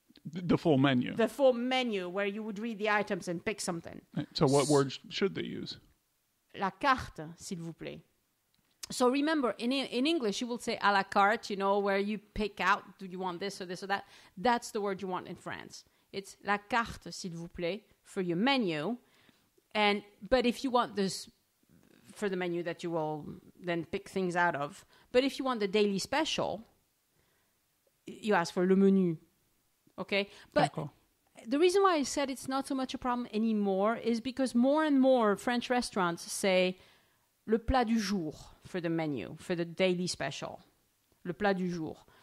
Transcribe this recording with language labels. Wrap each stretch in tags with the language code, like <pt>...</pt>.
<en>The full menu. The full menu where you would read the items and pick something. So what words should they use?</en> <fr>La carte, s'il vous plaît.</fr> <en>So remember, in English, you will say à la carte, you know, where you pick out, do you want this or this or that? That's the word you want in France. It's</en> <fr>la carte, s'il vous plaît,</fr> <en>for your menu. But if you want this for the menu that you will then pick things out of, but if you want the daily special, you ask for le menu. Okay, but</en> <fr>D'accord.</fr> <en>The reason why I said it's not so much a problem anymore is because more and more French restaurants say le plat du jour for the menu, for the daily special, le plat du jour.</en>